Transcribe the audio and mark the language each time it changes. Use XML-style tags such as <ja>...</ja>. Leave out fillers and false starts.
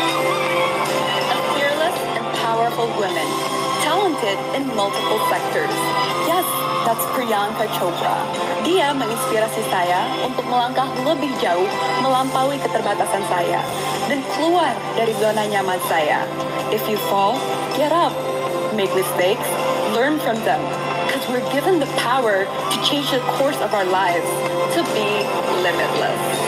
<en>A fearless and powerful woman, talented in multiple sectors. Yes, that's Priyanka Chopra.</en> <id>Dia menginspirasi saya untuk melangkah lebih jauh melampaui keterbatasan saya dan keluar dari zona nyaman saya.</id> <en>If you fall, get up. Make mistakes, learn from them. Because we're given the power to change the course of our lives, to be limitless.</en>